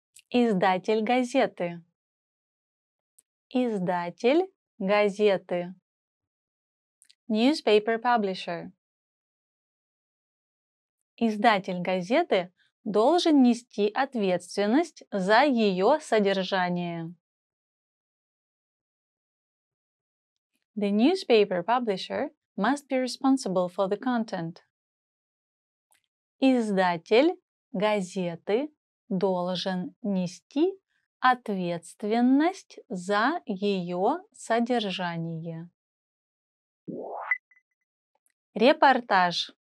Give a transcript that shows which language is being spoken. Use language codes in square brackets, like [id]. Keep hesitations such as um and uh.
[ru] Издатель газеты. Издатель [en] газеты. Newspaper publisher. [ru] Издатель газеты должен нести ответственность за ее содержание. [en] The newspaper publisher must be responsible for the content. [ru] Издатель газеты должен нести ответственность за ее содержание. Репортаж.